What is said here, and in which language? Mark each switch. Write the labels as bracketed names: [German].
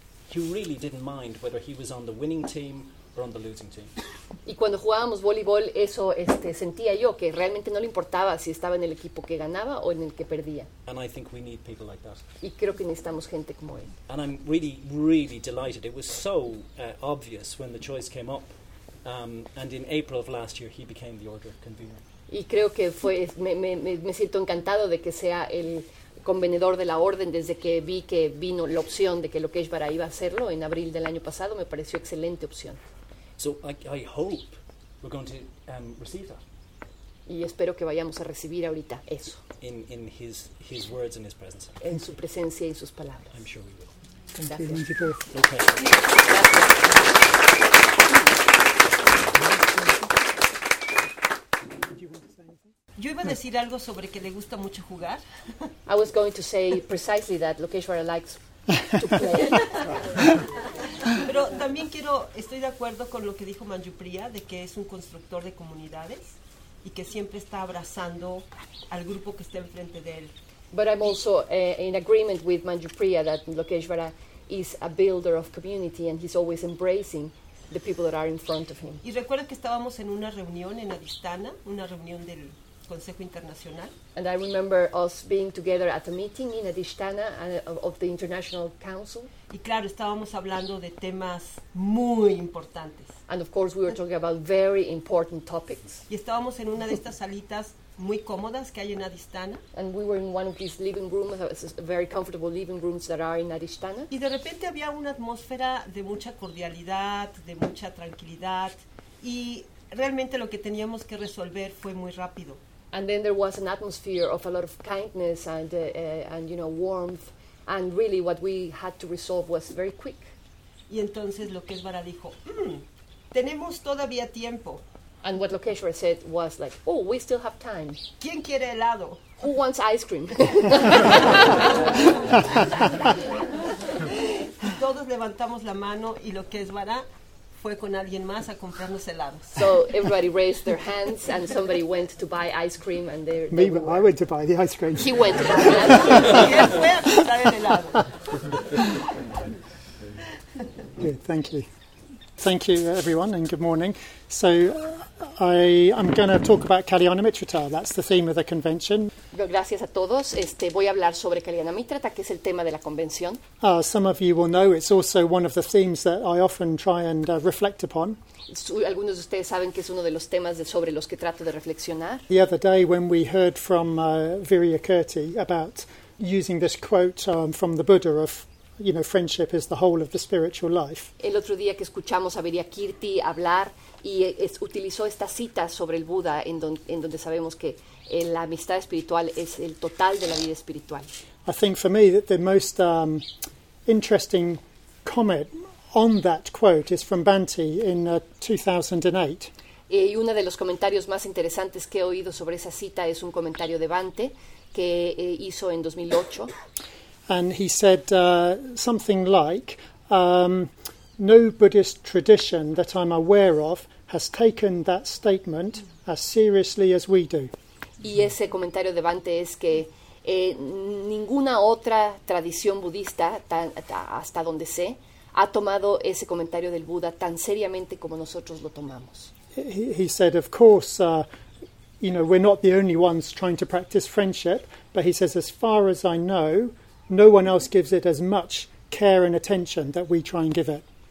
[English] He really didn't mind whether he was on the winning team or on the losing team. [Spanish] Y cuando jugábamos voleibol, eso sentía yo que realmente no le importaba si estaba en el equipo que ganaba o en el que perdía. [English] And I think we need people like that. [Spanish] Y creo que necesitamos gente como él. [English] And I'm really, really delighted. It was so obvious when the choice came up. And in April of last year, he became the order convener. [Spanish] Y creo que me siento encantado de que sea el convenedor de la orden desde que vi que vino la opción de que Lokeshwar iba a hacerlo en abril del año pasado. Me pareció excelente opción. [English] So I hope we're going to receive that. [Spanish] Y espero que vayamos a recibir ahorita eso. [English] In his words and his presence. [Spanish] En su presencia y sus palabras. [English] I'm sure we will. [Spanish] Gracias. Yo iba a decir algo sobre que le gusta mucho jugar. [English] I was going to say precisely that Lokeshwara likes to play. [Spanish] Pero también quiero, estoy de acuerdo con lo que dijo Manjupriya, de que es un constructor de comunidades y que siempre está abrazando al grupo que está enfrente de él. [English] But I'm also in agreement with Manjupriya that Lokeshwara is a builder of community and he's always embracing the people that are in front of him. [Spanish] Y recuerdo que estábamos en una reunión en Adistana, una reunión del Consejo Internacional. [English] And I remember us being together at a meeting in Adistana of the International Council. [Spanish] Y claro, estábamos hablando de temas muy importantes. [English] And of course we were talking about very important topics. [Spanish] Y estábamos en una de estas salitas muy cómodas que hay en Adistana. [English] And we were in one of these living rooms, very comfortable living rooms that are in Adistana. [Spanish] Y de repente había una atmósfera de mucha cordialidad, de mucha tranquilidad, y realmente lo que teníamos que resolver fue muy rápido. [English] And then there was an atmosphere of a lot of kindness and you know, warmth, and really what we had to resolve was very quick. [Spanish] Y entonces Lokeshwara dijo, tenemos todavía tiempo. [English] And what Lokeshwara said was like, oh, we still have time. [Spanish] ¿Quién quiere helado? [English] Who wants ice cream? [Spanish] Todos levantamos la mano y Lokeshwara fue con alguien más a comprarnos helados. [English] So everybody raised their hands and somebody went to buy ice cream. And they Me, but I went to buy the ice cream. He went to buy the ice cream. [Spanish] Y él fue a comprar el helado. [English] Thank you. Thank you, everyone, and good morning. So I'm going to talk about Kalyana Mitrata. That's the theme of the convention. [Spanish] Gracias a todos. Voy a hablar sobre Kalyana Mitrata, que es el tema de la convención. [English] Some of you will know it's also one of the themes that I often try and reflect upon. [Spanish] Algunos de ustedes saben que es uno de los temas sobre los que trato de reflexionar. [English] The other day when we heard from Viryakirti about using this quote from the Buddha of, you know, friendship is the whole of the spiritual life. [Spanish] El otro día que escuchamos a Viryakirti hablar y utilizó esta cita sobre el Buda en donde sabemos que la amistad espiritual es el total de la vida espiritual. [English] I think for me that the most interesting comment on that quote is from Banti in 2008. [Spanish] Y uno de los comentarios más interesantes que he oído sobre esa cita es un comentario de Banti que hizo en 2008. [English] And he said something like, no Buddhist tradition that I'm aware of has taken that statement as seriously as we do. [Spanish] Y ese comentario de Bante es que ninguna otra tradición budista, hasta donde sé, ha tomado ese comentario del Buda tan seriamente como nosotros lo tomamos. [English] He said, of course, you know, we're not the only ones trying to practice friendship, but he says, as far as I know, no one else gives it as much care and attention that we try and give it.